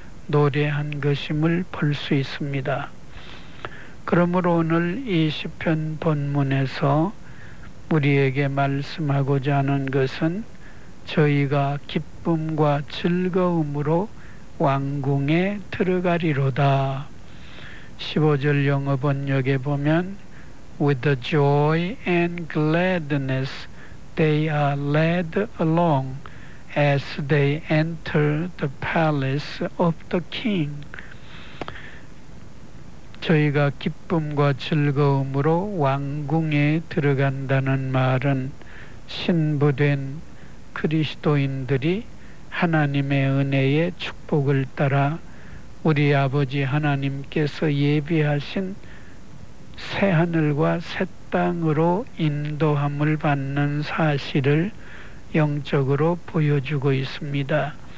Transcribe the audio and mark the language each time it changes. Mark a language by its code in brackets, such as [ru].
[ko] 노래한 것임을 볼 수 있습니다. 그러므로 오늘 이 시편 본문에서 우리에게 말씀하고자 하는 것은 저희가 기쁨과 즐거움으로 왕궁에 들어가리로다. 15절 영어 번역에 보면 [en] With the joy and gladness they are led along as they enter the palace of the king. [ko] 저희가 기쁨과 즐거움으로 왕궁에 들어간다는 말은 신부된 그리스도인들이 하나님의 은혜의 축복을 따라 우리 아버지 하나님께서 예비하신 새하늘과 새 땅으로 인도함을 받는 사실을 영적으로 보여주고 있습니다.